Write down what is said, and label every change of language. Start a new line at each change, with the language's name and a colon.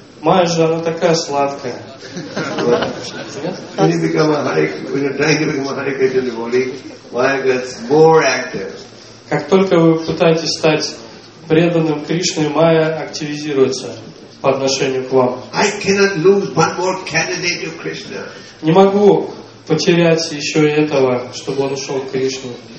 Russian: Майя же она такая сладкая.
English: When you become a Hare Krishna, when you try to become a Hare Krishna devotee, Maya gets more active.
Russian: Как только вы пытаетесь стать преданным Кришне, Майя активизируется по отношению к вам.
English: I cannot lose one more candidate to Krishna.
Russian: Не могу потерять еще и этого, чтобы он ушел к Кришне.